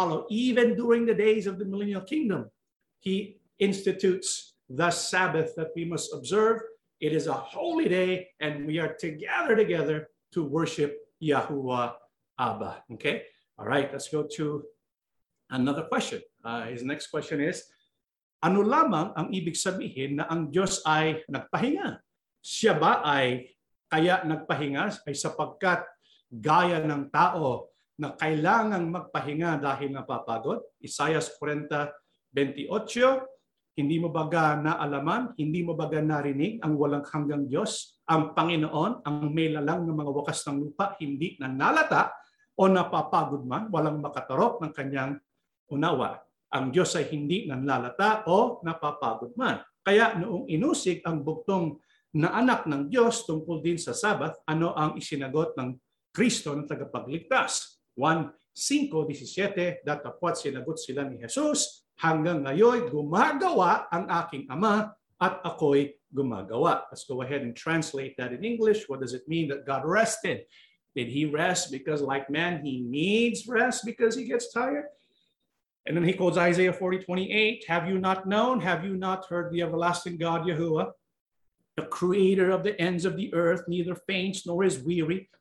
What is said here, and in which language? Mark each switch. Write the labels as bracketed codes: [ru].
[en] Even during the days of the millennial kingdom, he institutes the Sabbath that we must observe. It is a holy day, and we are together to worship Yahuwah Abba. Okay, All right, let's go to another question. His next question is, [tl] ano lamang ang ibig sabihin na ang Diyos ay nagpahinga? Siya ba ay kaya nagpahinga ay sapagkat gaya ng tao na kailangang magpahinga dahil napapagod? Isaiah 40:28, hindi mo baga naalaman, hindi mo baga narinig ang walang hanggang Diyos, ang Panginoon, ang may lalang ng mga wakas ng lupa, hindi na nalata o napapagod man, walang makatarok ng kanyang unawa. Ang Diyos ay hindi nanlalata o napapagod man. Kaya noong inusig ang bugtong na anak ng Diyos tungkol din sa Sabbath, ano ang isinagot ng Kristo ng tagapagligtas? 1:5-17, datapot sinagot sila ni Jesus, hanggang ngayon gumagawa ang aking ama at ako'y gumagawa. [en] Let's go ahead and translate that in English. What does it mean that God rested? Did he rest because like man, he needs rest because he gets tired? And then he quotes Isaiah 40:28, have you not known? Have you not heard the everlasting God, Yahuwah, the creator of the ends of the earth, neither faints nor is weary.